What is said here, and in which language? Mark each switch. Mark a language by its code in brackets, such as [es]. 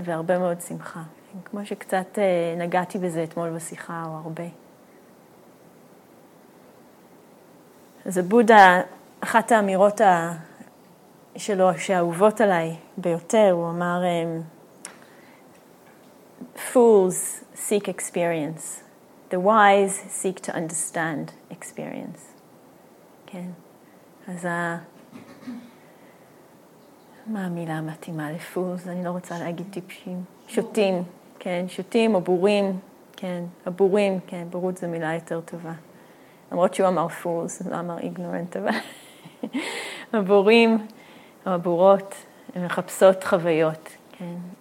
[he] והרבה מאוד שמחה. כמו שקצת נגעתי בזה אתמול בשיחה, או הרבה. אז הבודה, אחת האמירות שלו, שאהובות עליי ביותר, הוא אמר, [en] Fools seek experience. The wise seek to understand experience. [he] כן? אז מה המילה המתאימה לפולס? אני לא רוצה להגיד טיפשים. שוטים, כן? שוטים או בורים, כן? הבורים, כן? בורות זו מילה יותר טובה. למרות שהוא אמר פולס, לא אמר איגנורנט, אבל הבורים או הבורות הן מחפשות חוויות, כן?